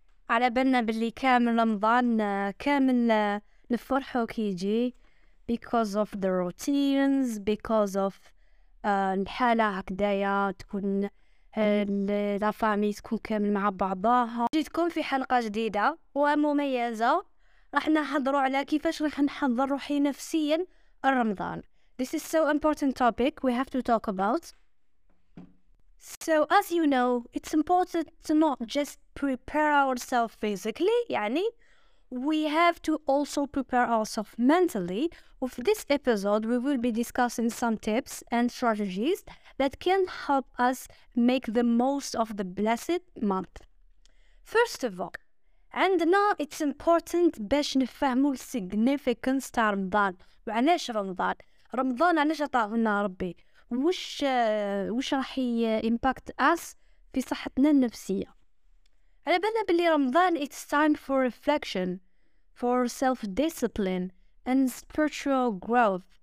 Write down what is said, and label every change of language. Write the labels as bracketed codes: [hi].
[ar] على بالنا باللي كامل رمضان كامل نفرحو كيجي [en] because of the routines, because of [ar] الحالة هكدايا تكون لافامي تكون كامل مع بعضها. جيتكم في حلقة جديدة ومميزة، راح نحضروا على كيفاش راح نحضر روحي نفسيا رمضان. [en] This is so important topic we have to talk about. So as you know, it's important to not just prepare ourselves physically, يعني we have to also prepare ourselves mentally. With this episode we will be discussing some tips and strategies that can help us make the most of the blessed month. First of all, [ar] عندنا [en] it's important [ar] باش نفهمو السيغنيفيكانس تاع رمضان، وعلاش رمضان، رمضان علاش عطاه لنا ربي، وش راح امباكت اس في صحتنا النفسيه. على بالنا بلي رمضان [en] it's time for reflection, for self discipline and spiritual growth.